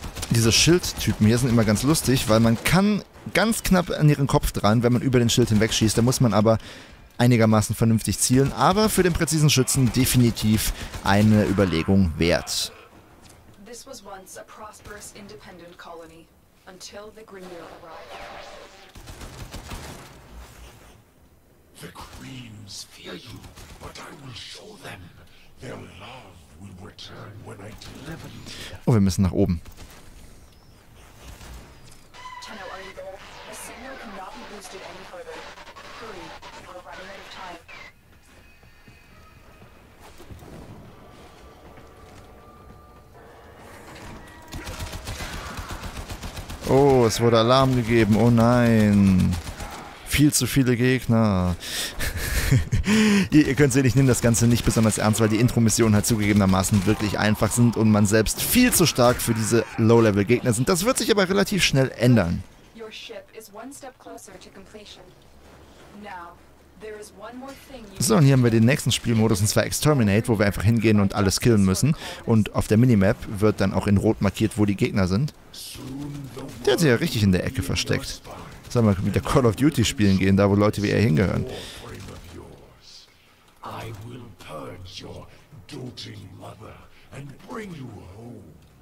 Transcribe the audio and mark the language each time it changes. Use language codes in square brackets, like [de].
[de] Diese Schildtypen hier sind immer ganz lustig, weil man kann ganz knapp an ihren Kopf dran, wenn man über den Schild hinwegschießt. Da muss man aber einigermaßen vernünftig zielen. Aber für den präzisen Schützen definitiv eine Überlegung wert. [en] This was once a prosperous independent colony, until the Grineer arrived. The Creams fear you, but I will show them. Their love will return when I deliver you. [de] Oh, wir müssen nach oben. [en] Tenno, are you there? The signal cannot be boosted any further. Hurry, we are running out of time. [de] Oh, es wurde Alarm gegeben. Oh nein. Viel zu viele Gegner. ihr könnt sehen, ich nehme das Ganze nicht besonders ernst, weil die Intro-Missionen halt zugegebenermaßen wirklich einfach sind und man selbst viel zu stark für diese Low-Level-Gegner sind. Das wird sich aber relativ schnell ändern. [en] Your ship is one step closer to completion. Now, there is one more thing you... [de] So, und hier haben wir den nächsten Spielmodus, und zwar Exterminate, wo wir einfach hingehen und alles killen müssen. Und auf der Minimap wird dann auch in Rot markiert, wo die Gegner sind. Der hat sich ja richtig in der Ecke versteckt. Sag mal, mit der Call of Duty spielen gehen, da wo Leute wie er hingehören. [en] I will purge your doting mother and bring you home.